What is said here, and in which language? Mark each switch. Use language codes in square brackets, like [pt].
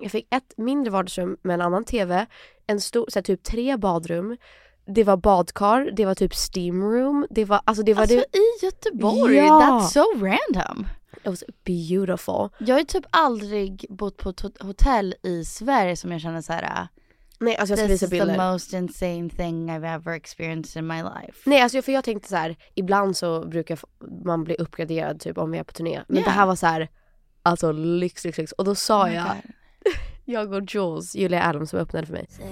[sv] Jag fick ett mindre vardagsrum med en annan tv. En stor, så här, typ tre badrum. Det var badkar, det var typ steam room. Det var i Göteborg. Ja. [en] That's so random. It was beautiful. [sv] Jag har typ aldrig bott på ett hotell i Sverige som jag känner så här. Nej, alltså jag ska visa bilder. [en] This is the most insane thing I've ever experienced in my life. [sv] Nej, alltså för jag tänkte så här, ibland så brukar man bli uppgraderad typ om vi är på turné, men det här var så här, alltså lyx. Och då sa jag och Jules, Julia Adams, som öppnade för mig.